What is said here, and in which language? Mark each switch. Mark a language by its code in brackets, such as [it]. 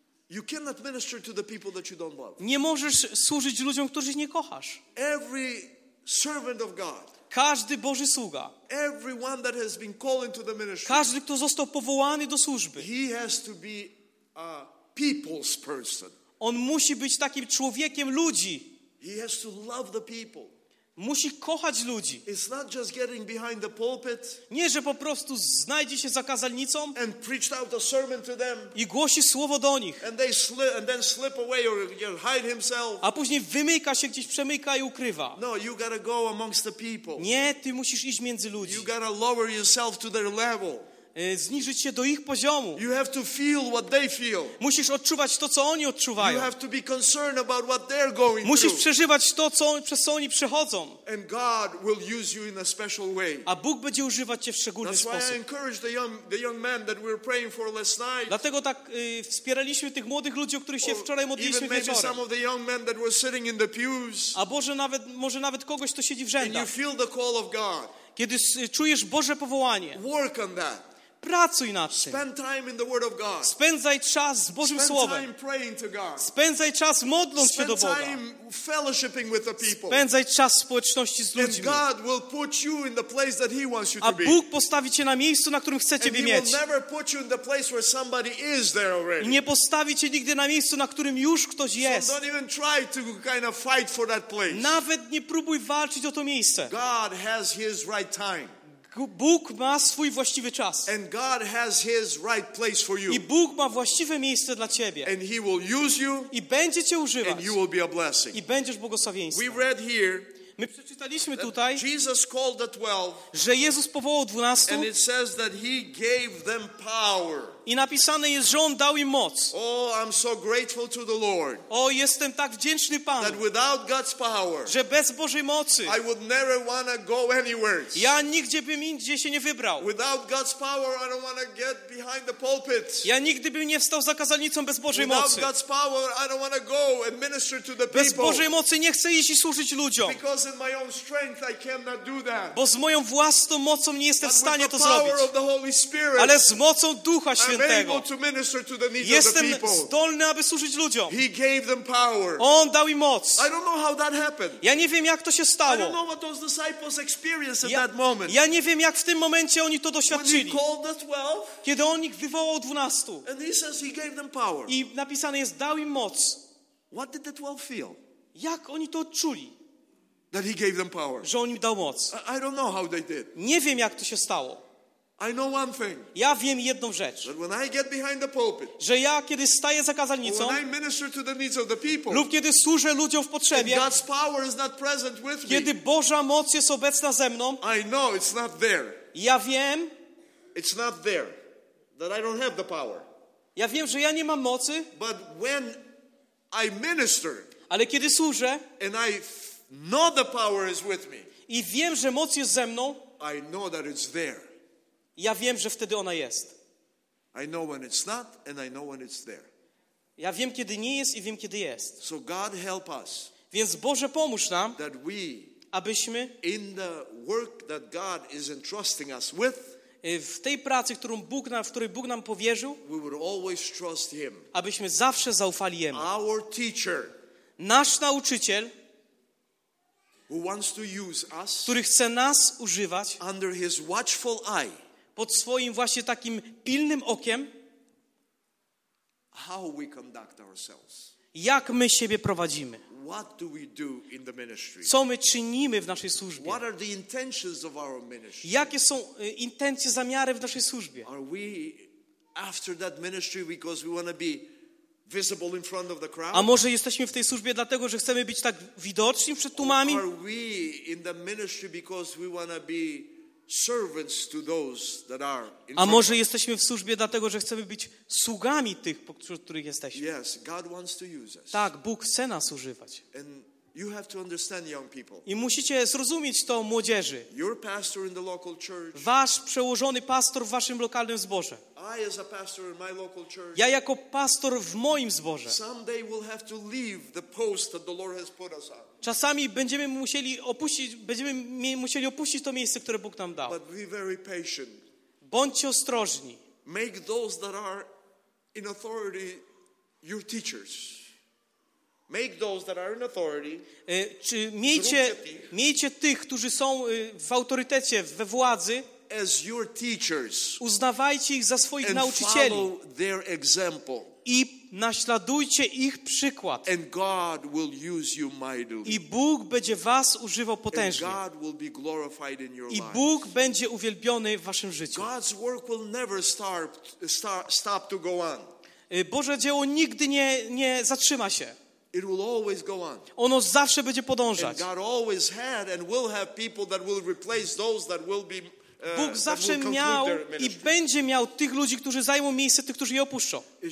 [en] You cannot minister to the people that you don't love. [pl] Nie możesz służyć ludziom, których nie kochasz. [en] Every servant of God. [pl] Każdy Boży sługa. [en] Everyone that has been called into the ministry. [pl] Każdy, kto został powołany do służby. [en] He has to be a people's person. [pl] On musi być takim człowiekiem ludzi. [en] He has to love the people. [pl] Musi kochać ludzi. [en] It's not just getting behind the pulpit, [pl] nie, że po prostu znajdzie się za kazalnicą [en] and preached out a sermon to them, [pl] i głosi słowo do nich, [en] and they and then slip away or hide himself. [pl] A później wymyka się gdzieś, przemyka i ukrywa. [en] No, you gotta go amongst the people. [pl] Nie, ty musisz iść między ludzi. [en] You gotta lower yourself to their level. [pl] Zniżyć się do ich poziomu. [en] You have to feel what they feel. [pl] Musisz odczuwać to, co oni odczuwają. [en] You have to be concerned about what they're going through. [pl] Musisz przeżywać to, przez co oni przechodzą. [en] And God will use you in a special way. [pl] A Bóg będzie używać cię w szczególny [en] That's [pl] sposób. [en] Why I encouraged the young man that we were praying for last night. [pl] Dlatego tak wspieraliśmy tych młodych ludzi, o których się wczoraj modliliśmy wieczorem. [en] Even maybe some of the young men that were sitting in the pews. [pl] A Boże, nawet może nawet kogoś, kto siedzi w rzędach. [en] And you feel the call of God. [pl] Kiedy czujesz Boże powołanie. [en] Work on that. [pl] Pracuj nad tym. [en] Spend time in the word of God. [pl] Spędzaj czas z Bożym [en] Spend [pl] Słowem. [en] Time praying to God. [pl] Spędzaj czas modląc [en] Spend [pl] się do Boga. [en] Time fellowshipping with the people. [pl] Spędzaj czas w społeczności z ludźmi. [en] And God will put you in the place that he wants you to be. [pl] A Bóg postawi cię na miejscu, na którym chce ciebie mieć. [en] And he will never put you in the place where somebody is there already. [pl] I nie postawi cię nigdy na miejscu, na którym już ktoś jest. [en] So don't even try to kind of fight for that place. [pl] Nawet nie próbuj walczyć o to miejsce. [en] God has his right time. [pl] Bóg ma swój właściwy czas. [en] And God has his right place for you. [pl] I Bóg ma właściwe miejsce dla ciebie. [en] And he will use you. [pl] I będzie cię używać. [en] And you will be a blessing. [pl] I będziesz błogosławieństwem. [en] We read here. [pl] My przeczytaliśmy tutaj, [en] Jesus called the 12, [pl] że Jezus powołał 12. [en] And it says that he gave them power. [pl] I napisane jest, że on dał im moc. [en] Oh, I'm so grateful to the Lord. [pl] O, jestem tak wdzięczny Panu. [en] That without God's power, [pl] że bez Bożej mocy, [en] I would never wanna go anywhere. [pl] Ja nigdzie bym indziej się nie wybrał. [en] Without God's power, I don't wanna get behind the pulpit. [pl] Ja nigdy bym nie wstał za kazalnicą bez Bożej [en] without [pl] mocy. [en] God's power, I don't wanna go and minister to the [pl] bez [en] people. [pl] Bożej mocy nie chcę iść i służyć ludziom. [en] Because in my own strength, I cannot do that. [pl] Bo z moją własną mocą nie jestem [en] But [pl] w stanie [en] with the [pl] to [en] power [pl] zrobić. [en] Of the Holy Spirit, [pl] ale z mocą Ducha Świętego. Świętego. Jestem zdolny, aby służyć ludziom. [en] He gave them power. [pl] On dał im moc. [en] I don't know how that happened. [pl] Ja nie wiem, jak to się stało. [en] I don't know what those disciples experienced in that moment. [pl] Ja nie wiem, jak w tym momencie oni to doświadczyli. [en] When he called the 12, [pl] kiedy on ich wywołał 12. [en] And he says he gave them power. [pl] I napisane jest, dał im moc. [en] What did the 12 feel? [pl] Jak oni to odczuli? [en] That he gave them power. [pl] Że on im dał moc. [en] I don't know how they did. [pl] Nie wiem, jak to się stało. [en] I know one thing. [pl] Ja wiem jedną rzecz. [en] That when I get behind the pulpit, [pl] że ja, kiedy staję za kazalnicą, [en] when I minister to the needs of the people, [pl] lub kiedy służę ludziom w potrzebie, [en] and God's power is not present with me, [pl] kiedy Boża moc jest obecna ze mną, [en] I know it's not there. [pl] Ja wiem, [en] it's not there, that I don't have the power. [pl] Ja wiem, że ja nie mam mocy, [en] but when I minister, [pl] ale kiedy służę, [en] and I know the power is with me, [pl] i wiem, że moc jest ze mną, [en] I know that it's there. [pl] Ja wiem, że wtedy ona jest. [en] I know when it's not and I know when it's there. [pl] Ja wiem, kiedy nie jest i wiem, kiedy jest. [en] So God help us. [pl] Więc Boże, pomóż nam, [en] that we, [pl] abyśmy [en] in the work that God is entrusting us with, [pl] w tej pracy, której Bóg nam powierzył, [en] we would always trust him. [pl] Abyśmy zawsze zaufali Jemu. [en] Our teacher, [pl] nasz nauczyciel, [en] who wants to use us, [pl] który chce nas używać, [en] under his watchful eye, [pl] pod swoim właśnie takim pilnym okiem, [en] how we conduct ourselves, [pl] jak my siebie prowadzimy, [en] what do we do in the ministry, [pl] co my czynimy w naszej służbie, [en] what are the intentions of our ministry, [pl] jakie są intencje, zamiary w naszej służbie, [en] are we after that ministry because we want to be visible in front of the crowd? [pl] A może jesteśmy w tej służbie dlatego, że chcemy być tak widoczni przed tłumami? [en] Or are we in the ministry because we want to be servants to those that are in front? [pl] A może jesteśmy w służbie dlatego, że chcemy być sługami tych, wśród których jesteśmy? [en] Yes, God wants to use us. [pl] Tak, Bóg chce nas używać. [en] And you have to understand, young people. [pl] I musicie zrozumieć to, młodzieży. [en] Your pastor in the local church. [pl] Wasz przełożony pastor w waszym lokalnym zborze. [en] I as a pastor in my local church. [pl] Ja jako pastor w moim zborze. [en] Someday we'll have to leave the post that the Lord has put us on. [pl] Czasami będziemy musieli opuścić to miejsce, które Bóg nam dał. [en] But be very patient. [pl] Bądźcie ostrożni. [en] Make those that are in authority your teachers. Make those that are in authority. [pl] Czy miejcie tych, którzy są w autorytecie, we władzy, [en] as your teachers. [pl] Uznawajcie ich za swoich nauczycieli. [en] And follow their example. [pl] I naśladujcie ich przykład. [en] And God will use you mightily. [pl] I Bóg będzie was używał potężnie. [en] And God will be glorified in your life. [pl] I Bóg będzie uwielbiony w waszym życiu. [en] God's work will never stop to go on. [pl] Boże dzieło nigdy nie zatrzyma się. [en] It will always go on. [pl] Ono zawsze będzie podążać. [en] And God always had and will have people that will replace those that will be. [pl] Bóg zawsze miał i będzie miał tych ludzi, którzy zajmą miejsce tych, którzy je opuszczą.